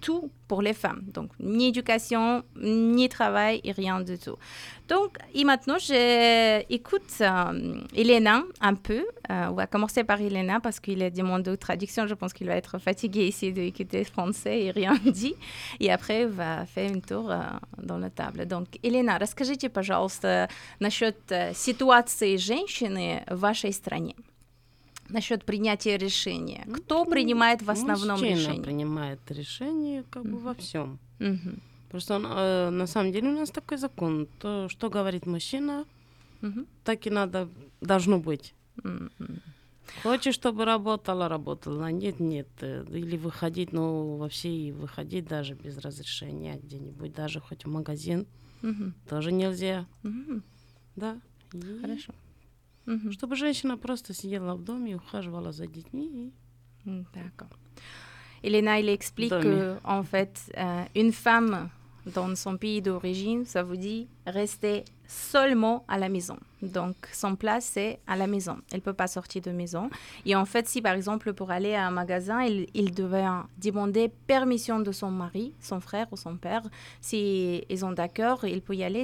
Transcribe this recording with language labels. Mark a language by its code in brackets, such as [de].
[fr] tout pour les femmes. Donc, ni éducation, ni travail, rien du tout. Donc, et maintenant, j'écoute Elena un peu. On va commencer par Elena parce qu'il est demandé de traduction. Je pense qu'il va être fatigué ici d'écouter français et rien dit. Et après, on va faire un tour dans la table. Donc, [ru] Elena, расскажите, пожалуйста, насчет ситуации женщины в вашей стране. Насчет принятия решения. Кто принимает в основном мужчина решение? Мужчина принимает решение как бы во всем. Просто на самом деле у нас такой закон. То, что говорит мужчина, так и надо, должно быть. Хочешь, чтобы работала, работала. Нет, нет. Или выходить, ну, вообще и выходить даже без разрешения где-нибудь, даже хоть в магазин, тоже нельзя. Да. Хорошо. Чтобы женщина просто сидела в доме и ухаживала за детьми. [fr] D'accord. Elena, elle explique que, en fait, une femme dans son pays d'origine, ça vous dit rester seulement à la maison. Donc, son place, c'est à la maison. Elle ne peut pas sortir de maison. Et en fait, si par exemple, pour aller à un magasin, il devait demander permission de son mari, son frère ou son père, s'ils ont d'accord, il peut y aller.